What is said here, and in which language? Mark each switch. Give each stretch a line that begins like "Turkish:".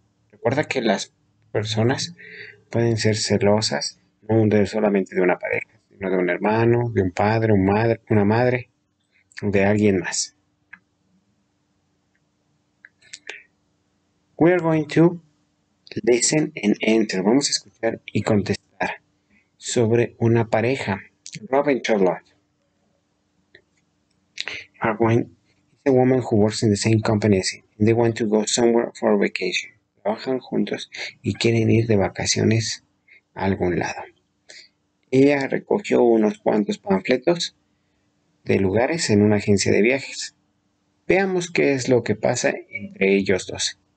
Spanish: Recuerda que las personas pueden ser celosas no solamente de una pareja, sino de un hermano, de un padre, una madre, de alguien más.
English: We are going to listen and answer.
Spanish: Vamos a escuchar y contestar sobre una pareja. Robin Charlotte.
English: It's a woman who works in the same company as him. They want to go somewhere for a vacation.
Spanish: Trabajan juntos y quieren ir de vacaciones a algún lado. Ella recogió unos cuantos panfletos de lugares en una agencia de viajes. Veamos qué es lo que pasa entre ellos dos.